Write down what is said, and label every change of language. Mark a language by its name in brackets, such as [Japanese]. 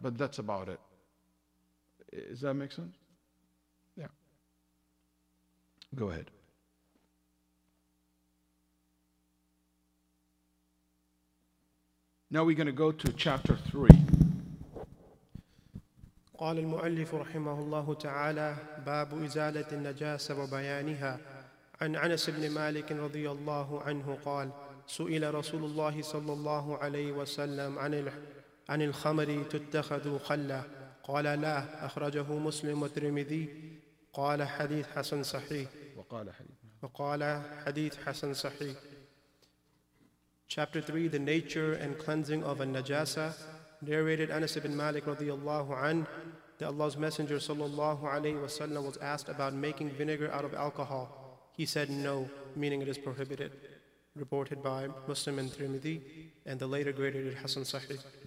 [English] But that's about it. Does that make sense? Yeah. Go ahead. Now we're going to go to chapter 3. [Arabic] قال المؤلف رحمه الله تعالى باب إزالة النجاسة وبيانها عن أنس بن مالك رضي الله عنه قال سئل رسول الله صلى الله عليه وسلم عن الخمر تتخذ خلا قال لا أخرجه مسلم والترمذي قال حديث حسن صحيح وقال حديث حسن صحيح. [English] Chapter 3, The Nature and Cleansing of a Najasa, narrated Anas ibn Malik radiallahu an, that Allah's Messenger sallallahu alayhi wa sallam was asked about making vinegar out of alcohol. He said no, meaning it is prohibited. Reported by Muslim and Tirmidhi, and the later graded it Hasan Sahih.